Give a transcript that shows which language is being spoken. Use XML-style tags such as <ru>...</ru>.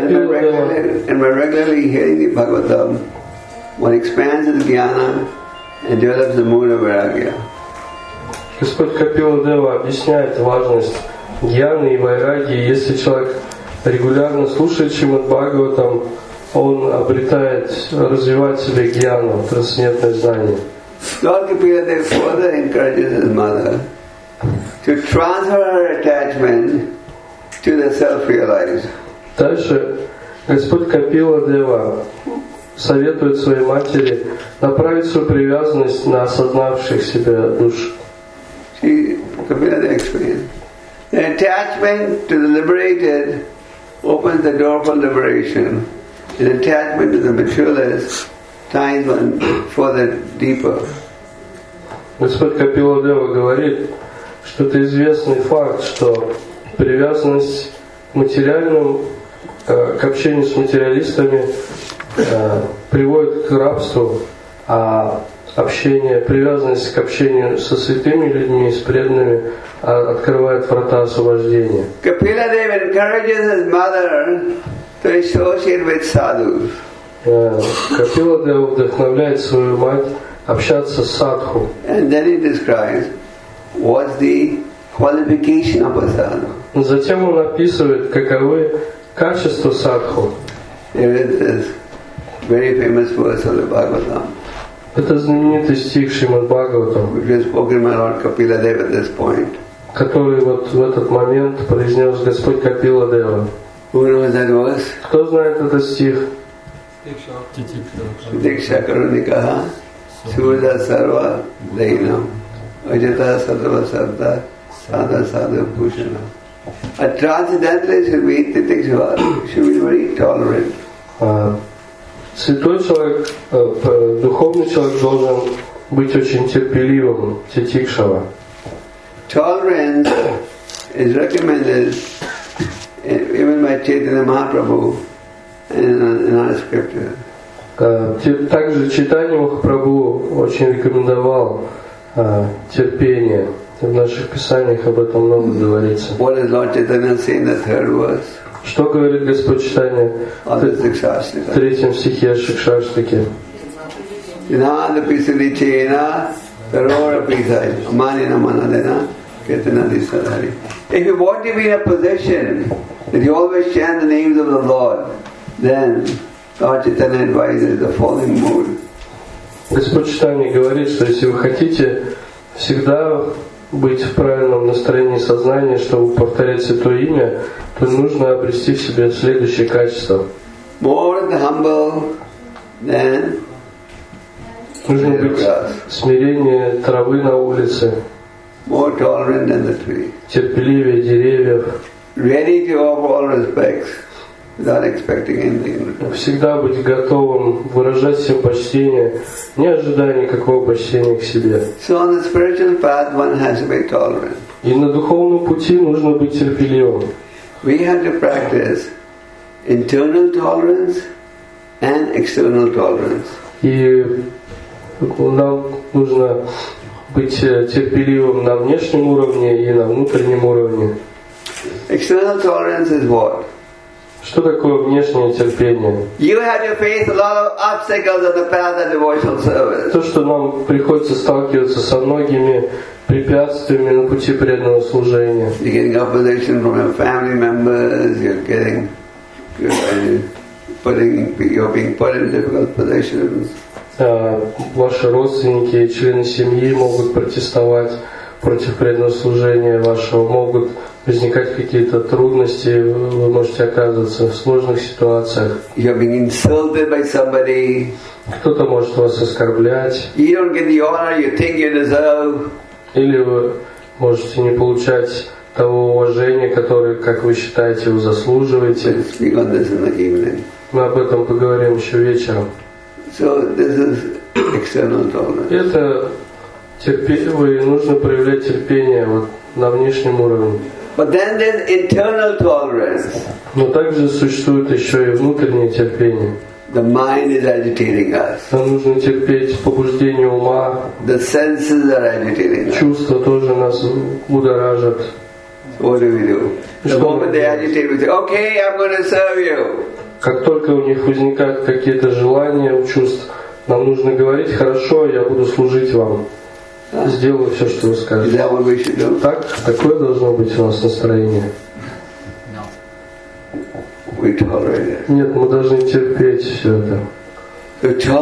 <en>And by regularly hearing the Bhagavatam, one expands his jnana and develops the mood of vairagya.</en> <ru>Господь Капила Дева объясняет важность джаны и вайраги. Если человек регулярно слушает Шримад Бхагаватам, он обретает, развивает в себе джану, трансцендентное знание.</ru> <en>Lord Kapila Dev further encourages his mother to transfer her attachment to the self-realized.</en> <ru>Дальше Господь Капила Дева советует своей матери направить свою привязанность на осознавших себя душ.</ru> <en>Капила Дева explains. The attachment to the liberated opens the door for liberation. The attachment to the materialist ties one for the deeper.</en> <ru>Господь Капила Дева говорит, что это известный факт, что привязанность к общению с материалистами приводит к рабству, а привязанность к общению со святыми людьми, с преданными, открывает врата освобождения.</ru> <en>Kapila Dev encourages his mother to associate with sadhus.</en> <ru>Kapila Dev вдохновляет свою мать общаться с садху.</ru> <en>And then he describes what's the qualification of a sadhu.</en> <ru>Затем он описывает, каковы качества садху.</ru> <en>Here is this very famous verse of the Bhagavatam.</en> <ru>Это знаменитый стих Шримад Бхагаватам,</ru> <en>which is spoken by Lord Kapila Dev at this point.</en> <ru>Который вот в этот момент произнес Господь Капила Дева.</ru> <en>Who knows that verse?</en> <ru>Кто знает этот стих? Диксха Карунникаха Сурда Сарва Дейна Ajata Sadhava Sarda Sada Sada Bhushana.</ru> <en>A transcendentalist should be Titikshva, should be very tolerant.</en> <ru>Святой человек, духовный человек должен быть очень терпеливым, Титикшава.</ru> <en>Tolerance is recommended even by Chaitanya Mahaprabhu in our scripture.</en> <ru>Также Чайтанья Махапрабху очень рекомендовал терпение. В наших писаниях об этом много говорится.</ru> <en>What does Lord Chaitanya say in the third verse?</en> <ru>Что говорит Господь Чайтанья в третьем стихе о Шикшаштике? Инада писали чейна, рора писали, манина манадена, кетана дисадари.</ru> <en>If you want to be in a position that you always chant the names of the Lord, then Lord Chaitanya advises the following mood.</en> <ru>Господь Чайтанья говорит, что если вы хотите всегда быть в правильном настроении сознания, чтобы повторять Святое Имя, то нужно обрести в себе следующее качество.</ru> <en>More humble than</en> <ru>Нужно быть смиреннее травы на улице.</ru> <en>More tolerant than the tree.</en> <ru>Терпеливее деревьев.</ru> <en>Ready to offer all respects without expecting anything.</en> <ru>Всегда быть готовым выражать всем почтение, не ожидая никакого почтения к себе.</ru> <en>So on the spiritual path one has to be tolerant.</en> <ru>И на духовном пути нужно быть терпеливым.</ru> <en>We have to practice internal tolerance and external tolerance.</en> <ru>И нам нужно быть терпеливым на внешнем уровне и на внутреннем уровне.</ru> <en>External tolerance is what?</en> <ru>Что такое внешнее терпение?</ru> <en>You have to face a lot of obstacles on the path of devotional service.</en> <ru>То, что нам приходится сталкиваться со многими препятствиями на пути преданного служения.</ru> <en>You're getting opposition from your family members. You're being put in difficult positions.</en> <ru>Ваши родственники, члены семьи могут протестовать против преданного служения вашего, могут возникать какие-то трудности, вы можете оказываться в сложных ситуациях.</ru> <en>You're being insulted by somebody.</en> <ru>Кто-то может вас оскорблять.</ru> <en>You don't get the honor you think you deserve.</en> <ru>Или вы можете не получать того уважения, которое, как вы считаете, вы заслуживаете.</ru> <en>Speak on this in the evening.</en> <ru>Мы об этом поговорим еще вечером.</ru> <en>So this is external tolerance.</en> <ru>Это терпение, нужно проявлять терпение вот на внешнем уровне.</ru> <en>But then there's internal tolerance.</en> <ru>Но также существует еще и внутреннее терпение.</ru> <en>The mind is agitating us.</en> <ru>Нам нужно терпеть побуждение ума.</ru> <en>The senses are agitating us.</en> <ru>Чувства тоже нас будоражат.</ru> <en>What do we do? The moment they agitate, we say, "Okay, I'm going to serve you."</en> <ru>Как только у них возникают какие-то желания, чувства, нам нужно говорить: «Хорошо, я буду служить вам, сделаю все, что вы скажете». Так, такое должно быть у нас настроение. Нет, мы должны терпеть все это.</ru>